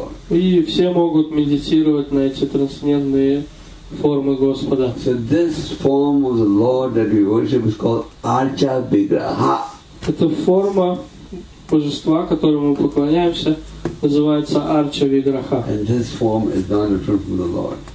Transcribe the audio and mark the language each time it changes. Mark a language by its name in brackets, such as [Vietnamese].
[Russian] И все могут медитировать на эти трансцендентные формы Господа. [English] So this form of the Lord that we worship is called Archa Vigraha. [Russian] Это форма божества, которому мы поклоняемся, называется Арча Виграха. [English] And this form is not different from the Lord.